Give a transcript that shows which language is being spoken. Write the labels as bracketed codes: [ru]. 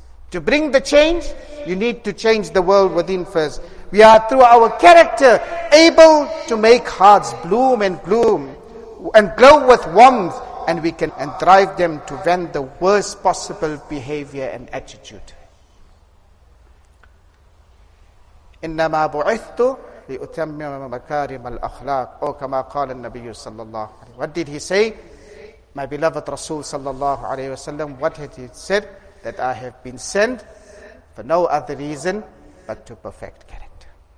[en] To bring the change, you need to change the world within first. We are, through our character, able to make hearts bloom and glow with warmth, and we can and drive them to vent the worst possible behavior and attitude. [ar] إِنَّمَا بُعِثْتُ لِأُتَمِّمَ مَكَارِمَ الْأَخْلَاقِ أو كما قال النبي صلى الله عليه وسلم. [en] What did he say? My beloved Rasul [ar] صلى الله عليه وسلم, [en] what had he said? That I have been sent for no other reason but to perfect character.